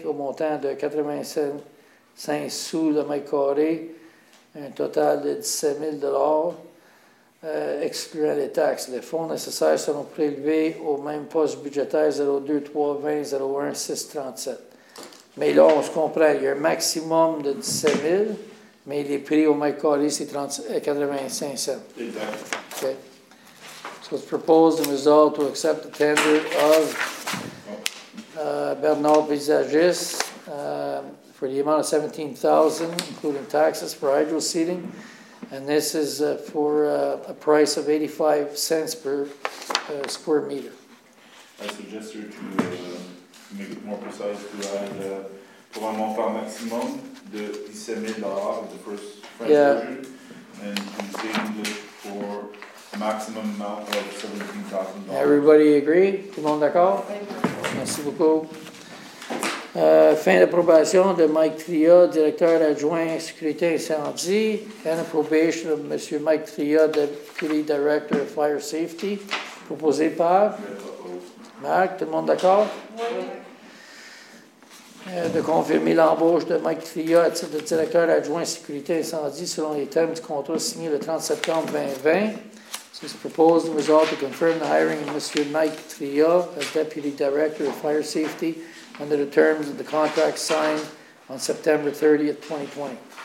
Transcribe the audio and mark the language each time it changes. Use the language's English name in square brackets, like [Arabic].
[French] au montant de 85 sous le mètre carré, un total de 17 000 $ excluant les taxes. Les fonds nécessaires seront prélevés au même poste budgétaire 02-320-01-637. Mais là, on se comprend, il y a un maximum de 17 000, mais les prix au mètre carré, c'est 85 cents. Exactement. OK. [English] So it's proposed and resolved to accept the tender of Bernard Paysagiste for the amount of $17,000, including taxes for hydro seeding. And this is for a price of 85 cents per square meter. I suggest you to make it more precise to add for a [French] montant maximum de [English] $17,000 in the first French version, and to change it for maximum amount of $17,000. Everybody agree? [French] Tout le monde d'accord? Merci beaucoup. Fin d'approbation de Mike Tria, directeur adjoint sécurité incendie, [English] and approbation of Monsieur Mike Tria, deputy director of fire safety, [French] proposé par Marc. Tout le monde d'accord? De confirmer l'embauche de Mike Tria à titre de directeur adjoint sécurité incendie selon les termes du contrat signé le 30 septembre 2020. [English] This proposed and resolved to confirm the hiring of Mr. Mike Tria as Deputy Director of Fire Safety under the terms of the contract signed on September 30th, 2020.